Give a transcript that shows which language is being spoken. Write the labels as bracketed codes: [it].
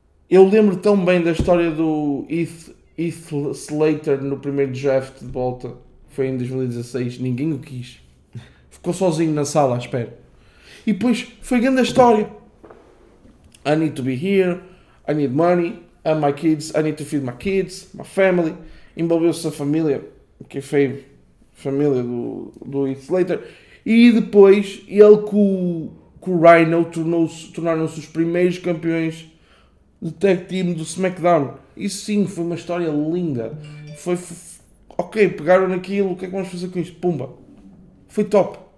[pt] Eu lembro tão bem da história do Heath Slater no primeiro draft de volta. Foi em 2016. Ninguém o quis. Ficou sozinho na sala, espero. E depois foi grande a história. [en] I need to be here. I need money. And my kids, I need to feed my kids, my family. [pt] Envolveu-se a família, que é feio, família do Heath Slater. E depois, ele com o Rhino tornaram-se os primeiros campeões de tag team do SmackDown. Isso sim, foi uma história linda. Ok, pegaram naquilo, o que é que vamos fazer com isto? Pumba. Foi top.